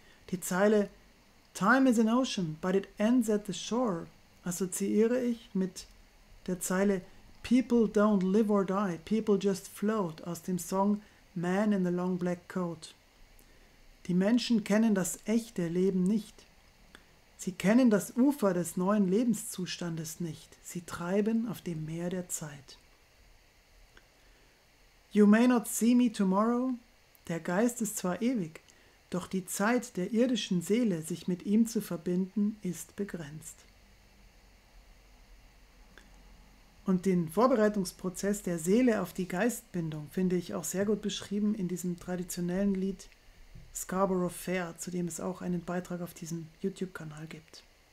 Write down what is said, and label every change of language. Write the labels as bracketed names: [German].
[German] Die Zeile » [English] Time is an ocean, but it ends at the shore« [German] assoziiere ich mit der Zeile » [English] People don't live or die, people just float« [German] aus dem Song »Man in the Long Black Coat«. Die Menschen kennen das echte Leben nicht. Sie kennen das Ufer des neuen Lebenszustandes nicht. Sie treiben auf dem Meer der Zeit. [English] You may not see me tomorrow. [German] Der Geist ist zwar ewig, doch die Zeit der irdischen Seele, sich mit ihm zu verbinden, ist begrenzt. Und den Vorbereitungsprozess der Seele auf die Geistbindung finde ich auch sehr gut beschrieben in diesem traditionellen Lied Scarborough Fair, zu dem es auch einen Beitrag auf diesem YouTube-Kanal gibt.